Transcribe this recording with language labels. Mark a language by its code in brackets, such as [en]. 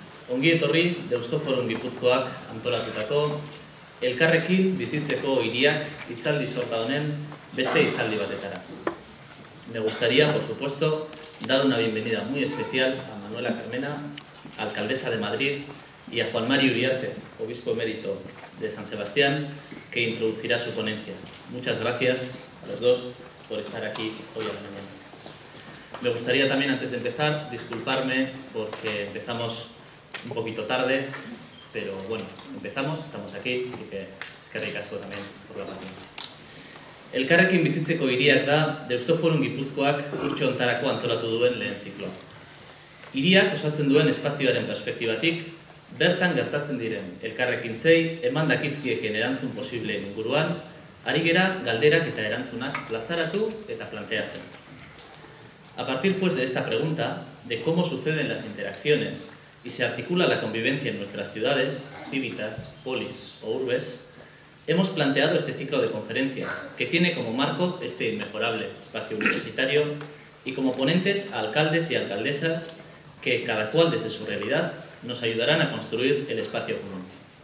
[eu] Ongi etorri Deusto Forum Gipuzkoak antolatutako elkarrekin bizitzeko hiriak hitzaldi sorta honen beste hitzaldi batetara. [es] Me gustaría, por supuesto, dar una bienvenida muy especial a Manuela Carmena, alcaldesa de Madrid, y a Juan Mari Uriarte, obispo emérito de San Sebastián, que introducirá su ponencia. Muchas gracias a los dos por estar aquí hoy a la mañana. Me gustaría también, antes de empezar, disculparme porque empezamos un poquito tarde, pero bueno, empezamos, estamos aquí, así que es que ricasco también por la paciencia. [eu] Elkarrekin bizitzeko hiriak da Deusto Forum Gipuzkoak urtxo ontarako antolatu duen lehen zikloa. Hiriak osatzen duen espazioaren perspektibatik, bertan gertatzen diren elkarrekin tzei, eman dakizkiekin erantzun posible inguruan, ari gera galderak eta erantzunak plazaratu eta planteatzen. [es] A partir pues de esta pregunta, de cómo suceden las interacciones y se articula la convivencia en nuestras ciudades, cívitas, polis o urbes, hemos planteado este ciclo de conferencias, que tiene como marco este inmejorable espacio universitario y como ponentes a alcaldes y alcaldesas que, cada cual desde su realidad, nos ayudarán a construir el espacio común.